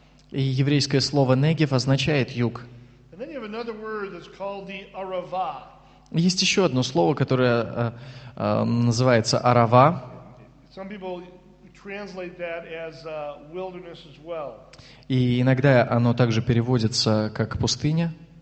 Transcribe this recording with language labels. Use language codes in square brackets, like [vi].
[ru] И еврейское слово «негев» означает «юг». Есть еще одно слово, которое называется «арава». [en] Some people translate that as wilderness as well. [ru] И иногда оно также переводится как «пустыня».